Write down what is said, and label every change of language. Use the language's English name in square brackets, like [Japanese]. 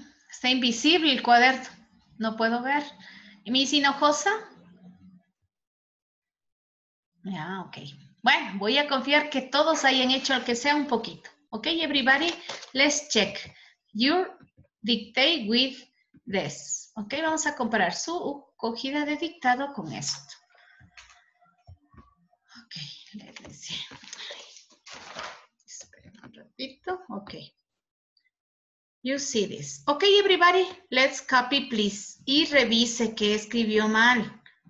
[Spanish] Está invisible el cuaderno. No puedo ver. ¿Y Miss Hinojosa? Ya, yeah, ok. Bueno, voy a confiar que todos hayan hecho lo que sea un poquito. [English] Ok, everybody, let's check your dictate with this. [Spanish] Ok, vamos a comparar su cogida de dictado con esto. [English] Ok, let me see. [Spanish] Esperen un ratito. [English] Ok. You see this. Ok, everybody, let's copy, please. [Spanish] Y revise qué escribió mal.